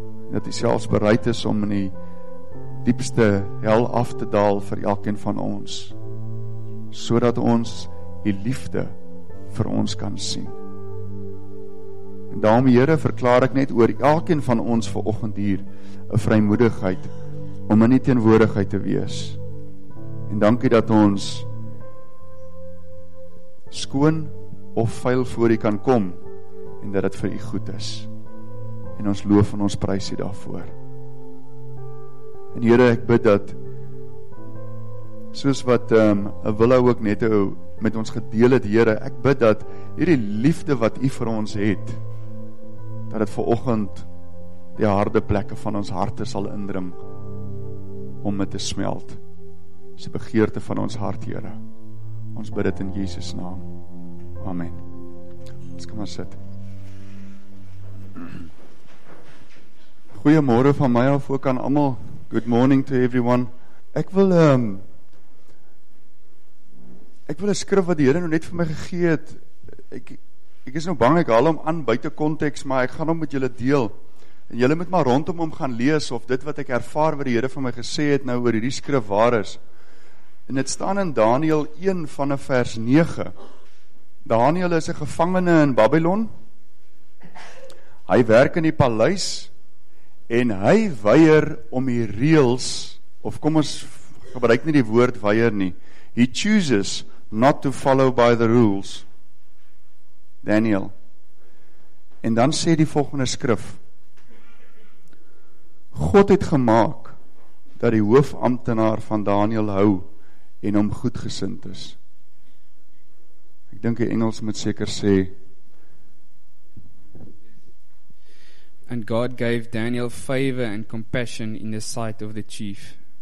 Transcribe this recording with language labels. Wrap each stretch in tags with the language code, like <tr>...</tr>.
<af>Dat u selfs bereid is om in die diepste hel af te daal vir elkeen van ons sodat ons die liefde vir ons kan sien. En daarom Here verklaar ek net oor elkeen van ons vanoggend hier 'n vrymoedigheid om in die teenwoordigheid te wees. En dankie dat ons skoon of vuil voor u kan kom en dat het vir u goed is. En ons loof en ons prys u daarvoor. En Here, ek bid dat soos wat Willa ook net met ons gedeel het, Here, ek bid dat hierdie liefde wat u vir ons het, dat het vanoggend die harde plekke van ons harte sal indring om dit te smelt. Dis die begeerte van ons hart, Here. Ons bid dit in Jesus naam. Amen. Ons kom maar sit. Goeiemôre van my af ook aan almal.</af> <en>Good morning to everyone.</en> <af>Ek wil 'n skrif wat die Here nou net vir my gegee het. Ek is nou bang ek haal hom aan buite konteks, maar ek gaan hom met julle deel. En julle moet maar rondom hom gaan lees of dit wat ek ervaar wat die Here vir my gesê het nou oor hierdie skrif waar is. En dit staan in Daniël 1 vanaf vers 9. Daniël is 'n gevangene in Babylon. Hy werk in die paleis. En hy weier om die reëls, of kom ons gebruik nie die woord weier nie,</af> <en>he chooses not to follow by the rules,</en> <af>Daniel. En dan sê die volgende skrif, God het gemaak dat die hoofambtenaar van Daniel hou en hom goedgesind is. Ek dink die Engels moet seker sê,</af> <en>and God gave Daniel favor and compassion in the sight of the chief.</en>